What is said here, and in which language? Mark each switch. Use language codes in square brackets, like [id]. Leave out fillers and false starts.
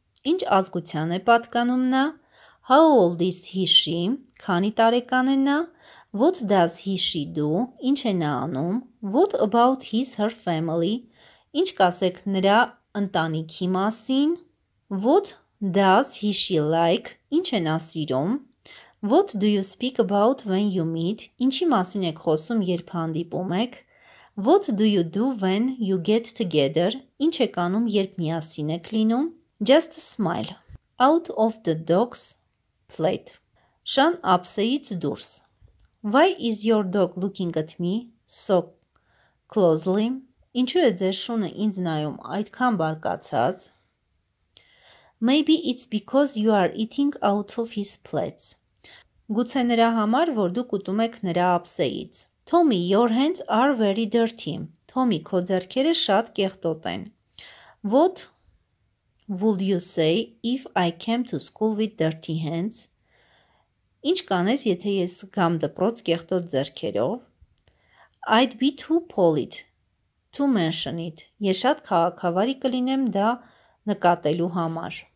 [hy] Ինչ ազգության է պատկանում նա? [en] How old is he she? [hy] Քանի տարեկան է նա? [en] What does he she do? [hy] Ինչ է նա անում? [en] What about his her family? [hy] Ինչ կասեք նրա ընտանիքի մասին? [en] What does he she like? [hy] Ինչ է նա սիրում? [en] What do you speak about when you meet? [hy] Ինչի մասին եք խոսում, երբ հանդիպում եք? [en] What do you do when you get together? [hy] Ինչ եք անում, երբ միասին եք լինում? [en] Just smile. Out of the dog's plate. [hy] Շան ափսեից դուրս. [en] Why is your dog looking at me so closely? [hy] Ինչու է ձեր շունը ինձ նայում այդքան բարկացած? Maybe it's because you are eating out of his plates. Գուցե նրա համար, որ դուք ուտում եք նրա ափսեից. [en] Tommy, your hands are very dirty. [hy] Tommy, քո ձեռքերը շատ կեղտոտ են. [en] What would you say if I came to school with dirty hands? [hy] Ինչ կանես, եթե ես գամ դպրոց կեղտոտ ձեռքերով? [en] I'd be too polite to mention it. [hy] Ես շատ քաղաքավարի կլինեմ դա նկատելու համար.